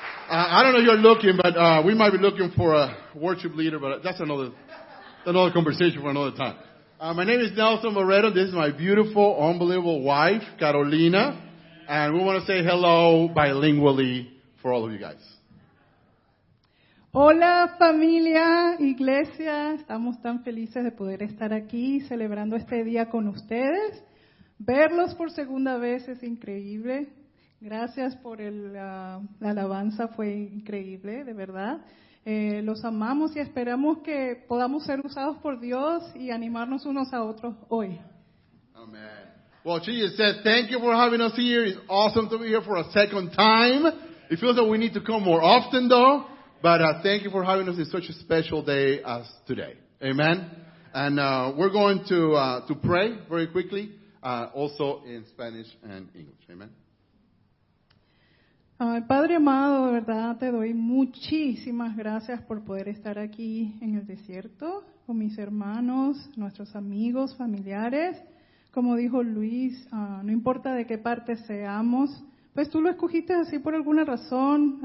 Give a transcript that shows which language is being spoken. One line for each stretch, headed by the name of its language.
English: I don't know if you're looking, but we might be looking for a worship leader, but that's another conversation for another time. My name is Nelson Moreto. This is my beautiful, unbelievable wife, Carolina. And we want to say hello bilingually for all of you guys.
Spanish: Hola, familia, iglesia. Estamos tan felices de poder estar aquí celebrando este día con ustedes. Verlos por segunda vez es increíble. Gracias por la alabanza, fue increíble, de verdad. Los amamos y esperamos que podamos ser usados por Dios y animarnos unos a otros hoy.
English: Amen. Well, she just said, thank you for having us here. It's awesome to be here for a second time. It feels like we need to come more often, though. But thank you for having us in such a special day as today. Amen. And we're going to pray very quickly, also in Spanish and English. Amen.
Spanish: Padre amado, de verdad te doy muchísimas gracias por poder estar aquí en el desierto con mis hermanos, nuestros amigos, familiares. Como dijo Luis, no importa de qué parte seamos, pues tú lo escogiste así por alguna razón.